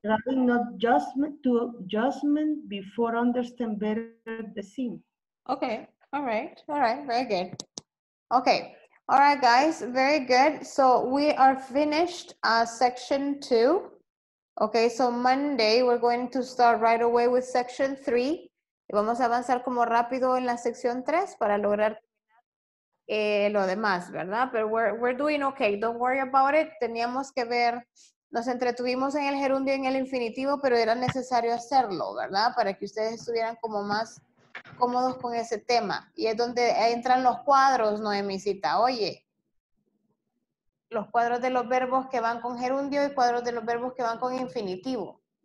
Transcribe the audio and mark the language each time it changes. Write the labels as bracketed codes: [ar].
[en] Try not to adjustment before understand better the scene. Okay. All right. All right. Very good. Okay. All right, guys, very good. So we are finished section two. Okay, so Monday we're going to start right away with section three. [es] Y vamos a avanzar como rápido en la sección tres para lograr lo demás, ¿verdad? [en] Pero we're doing okay, don't worry about it. [es] Teníamos que ver, nos entretuvimos en el gerundio y en el infinitivo, pero era necesario hacerlo, ¿verdad? Para que ustedes estuvieran como más cómodos con ese tema. Y es donde entran los cuadros, Noemicita, oye. Los cuadros de los verbos que van con gerundio y cuadros de los verbos que van con infinitivo.